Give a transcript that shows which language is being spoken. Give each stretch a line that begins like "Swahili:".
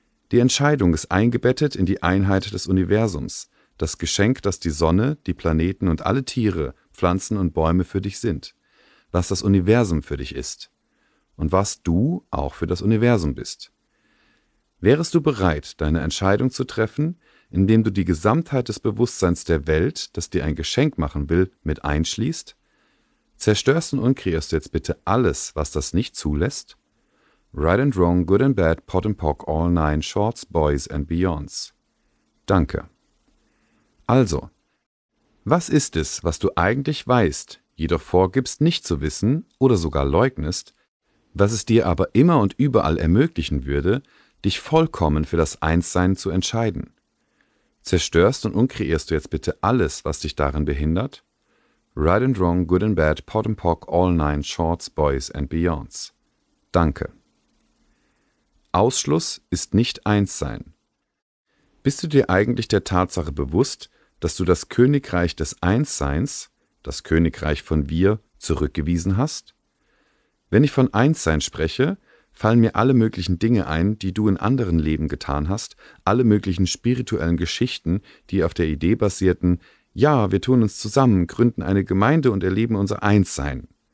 German: Die Entscheidung ist eingebettet in die Einheit des Universums, das Geschenk, das die Sonne, die Planeten und alle Tiere, Pflanzen und Bäume für dich sind, was das Universum für dich ist und was du auch für das Universum bist. Wärest du bereit, deine Entscheidung zu treffen, indem du die Gesamtheit des Bewusstseins der Welt, das dir ein Geschenk machen will, mit einschließt? Zerstörst und umkreierst du jetzt bitte alles, was das nicht zulässt?
English: Right and wrong, good and bad, pot and pock, all nine, shorts, boys and beyonds.
German: Danke. Also, was ist es, was du eigentlich weißt, jedoch vorgibst nicht zu wissen oder sogar leugnest, was es dir aber immer und überall ermöglichen würde, dich vollkommen für das Einssein zu entscheiden? Zerstörst und umkreierst du jetzt bitte alles, was dich darin behindert?
English: Right and wrong, good and bad, pot and pock, all nine, shorts, boys and beyonds.
German: Danke. Ausschluss ist nicht Einssein. Bist du dir eigentlich der Tatsache bewusst, dass du das Königreich des Einsseins, das Königreich von wir, zurückgewiesen hast? Wenn ich von Einssein spreche, fallen mir alle möglichen Dinge ein, die du in anderen Leben getan hast, alle möglichen spirituellen Geschichten, die auf der Idee basierten, ja, wir tun uns zusammen, gründen eine Gemeinde und erleben unser Einssein.